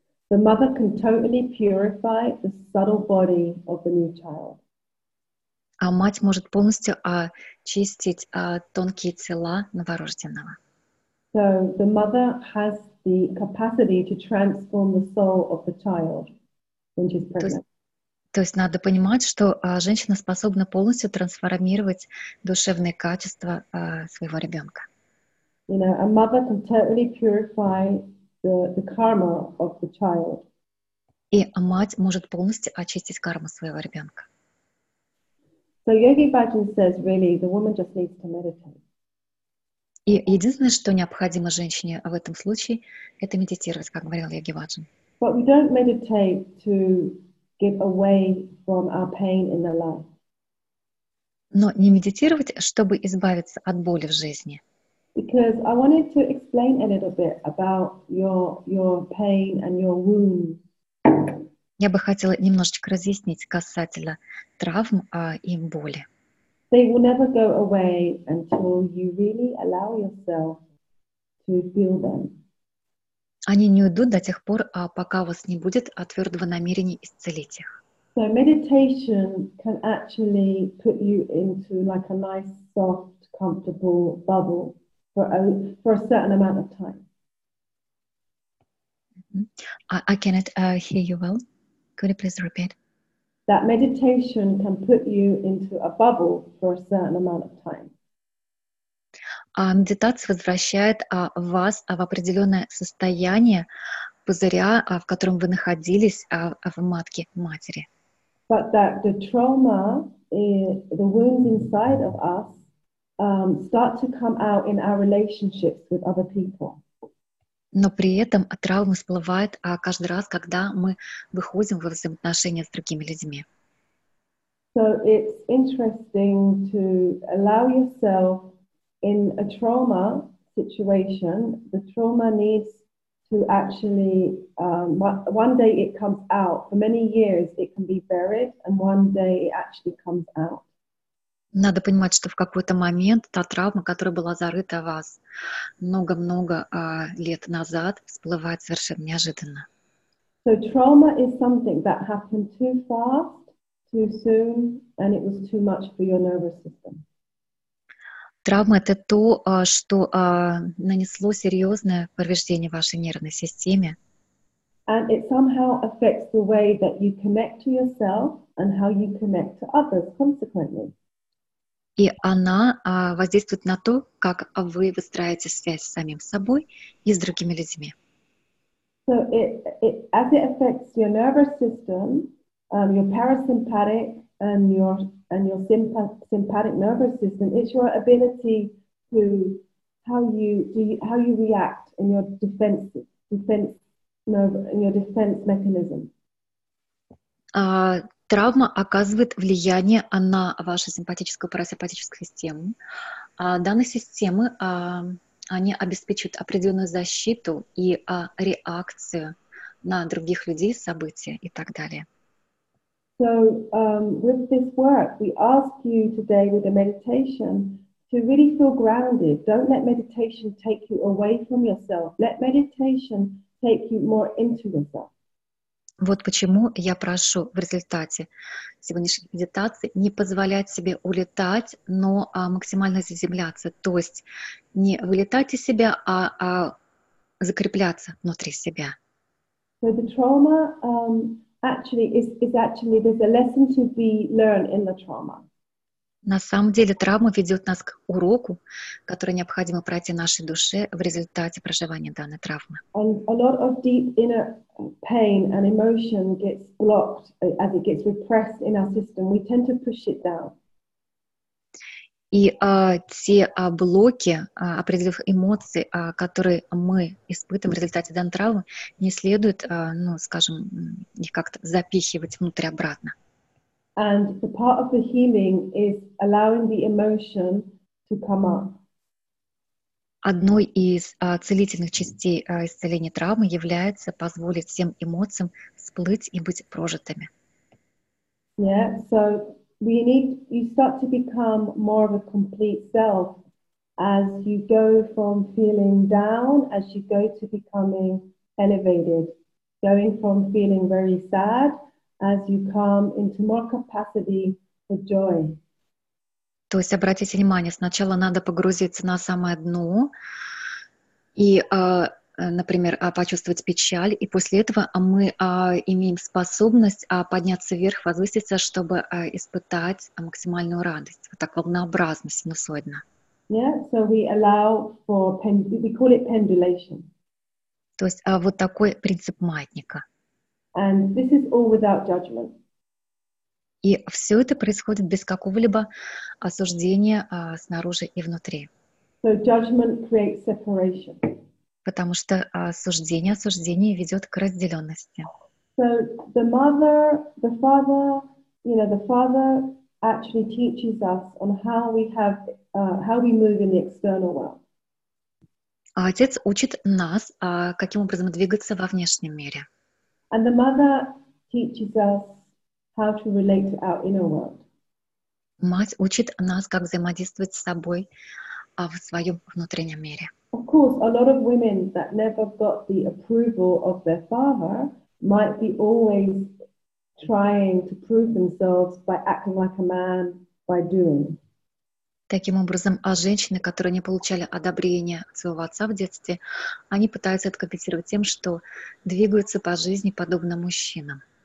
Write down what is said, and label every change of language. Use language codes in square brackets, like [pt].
[en] The mother can totally purify the subtle body of the new child. [ru] А мать может полностью очистить тонкие тела новорожденного. [en] So the mother has the capacity to transform the soul of the child when she's pregnant. [ru] То есть надо понимать, что женщина способна полностью трансформировать душевные качества своего ребенка. [en] You know, a mother can totally purify the karma of the child. [ru] И мать может полностью очистить карму своего ребенка. [en] So Yogi Bhajan says, really, the woman just needs to meditate. [ru] И единственное, что необходимо женщине в этом случае, это медитировать, как говорил Йоги Баджан. [en] But we don't meditate to get away from our pain in the life. [ru] Но не медитировать, чтобы избавиться от боли в жизни. [en] Because I wanted to explain a little bit about your pain and your wounds. [ru] Я бы хотела немножечко разъяснить касательно травм и боли. [en] They will never go away until you really allow yourself to feel them. [ru] Они не уйдут до тех пор, пока у вас не будет твердого намерения исцелить их. [en] So meditation can actually put you into like a nice, soft, comfortable bubble for a certain amount of time. I cannot hear you well. Could you please repeat? That meditation can put you into a bubble for a certain amount of time. [ru] Медитация возвращает вас в определенное состояние пузыря, в котором вы находились в матке матери. [en] But that the trauma, the wounds inside of us, start to come out in our relationships with other people. [ru] Но при этом травма всплывает каждый раз, когда мы выходим во взаимоотношения с другими людьми. [en] So it's interesting to allow yourself in a trauma situation. The trauma needs to actually, one day it comes out. For many years it can be buried, and one day it actually comes out. [ru] Надо понимать, что в какой-то момент та травма, которая была зарыта в вас много-много лет назад, всплывает совершенно неожиданно. [en] So trauma is something that happened too fast, too soon, and it was too much for your nervous system. [ru] Травма — это то, что нанесло серьезное повреждение вашей нервной системе. [en] And it somehow affects the way that you connect to yourself and how you connect to others consequently. [ru] И она воздействует на то, как вы выстраиваете связь с самим собой и с другими людьми. [en] So it as it affects your nervous system, your parasympathetic and your sympathetic nervous system, it's your ability to how you react in your defense mechanism. [ru] Травма оказывает влияние на вашу симпатическую и парасимпатическую систему. Данные системы, они обеспечивают определенную защиту и реакцию на других людей, события и так далее. [en] So, with this work, we ask you today with the meditation to really feel grounded. Don't let meditation take you away from yourself. Let meditation take you more into yourself. [ru] Вот почему я прошу в результате сегодняшней медитации не позволять себе улетать, но максимально заземляться, то есть не вылетать из себя, а закрепляться внутри себя. [en] So the trauma actually there's a lesson to be learned in the trauma. [ru] На самом деле травма ведет нас к уроку, который необходимо пройти нашей душе в результате проживания данной травмы. [en] And a lot of deep inner pain and emotion gets blocked as it gets repressed in our system. We tend to push it down. [ru] И те блоки определенных эмоций, которые мы испытываем в результате данной травмы, не следует, скажем, их как-то запихивать внутрь обратно. [en] And the part of the healing is allowing the emotion to come up. [ru] Одной из целительных частей исцеления травмы является позволить всем эмоциям всплыть и быть прожитыми. [en] Yeah, so we need you start to become more of a complete self as you go from feeling down, as you go to becoming elevated, going from feeling very sad as you come into more capacity for joy. [ru] То есть обратите внимание, сначала надо погрузиться на самое дно и, например, почувствовать печаль, и после этого мы имеем способность подняться вверх, возвыситься, чтобы испытать максимальную радость, вот так волнообразно, синусоидно. [en] Yeah, so we allow for we call it pendulation. [ru] То есть вот такой принцип маятника. [en] And this is all without judgment. [ru] И все это происходит без какого-либо осуждения снаружи и внутри. [en] So judgment creates separation. [ru] Потому что осуждение ведет к разделенности. [en] So the mother, the father, you know, the father actually teaches us on how we have how we move in the external world. [ru] Отец учит нас, каким образом двигаться во внешнем мире. [en] And the mother teaches us how to relate to our inner world. [ru] Мать учит нас, как взаимодействовать с собой в своем внутреннем мире. [en] Of course, a lot of women that never got the approval of their father might be always trying to prove themselves by acting like a man, by doing. [ru] Таким образом, женщины, которые не получали одобрения своего отца в детстве, они пытаются это компенсировать тем, что двигаются по жизни подобно мужчинам.